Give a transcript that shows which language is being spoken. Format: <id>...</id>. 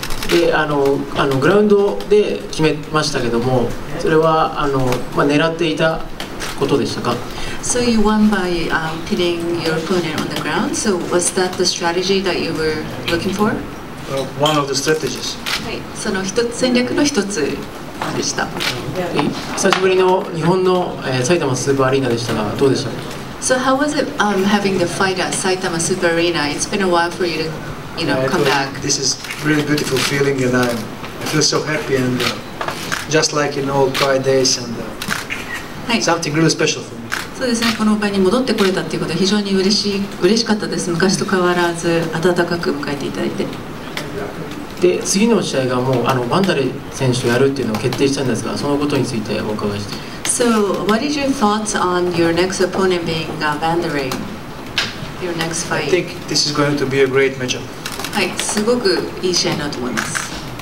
<ja>で、あのグラウンドで決めましたけども、それは狙っていたことでしたか？</ja> <en>So you won by pinning your opponent on the ground. So was that the strategy that you were looking for? One of the strategies.</en> <ja>はい、その一つ戦略の一つでした。で、久しぶりの日本の、埼玉スーパーアリーナでしたが、どうでしたか？</ja> <en>So how was it having the fight at Saitama Super Arena? It's been a while for you to, you know, come back. This is really beautiful feeling, and I feel so happy and just like in old Pride days and something really special for me.</en> <ja>そうですね、この場に戻ってこれたっていうことは非常に嬉しかったです。昔と変わらず温かく迎えていただいて。で、次の試合がもうバンダレ選手をやるっていうのを決定したんですが、そのことについてお伺いして。</ja> <en>So, what is your thoughts on your next opponent being Bandere? Your next fight? I think this is going to be a great matchup.</en> <ja>はい、すごくいい試合になると思います。</ja>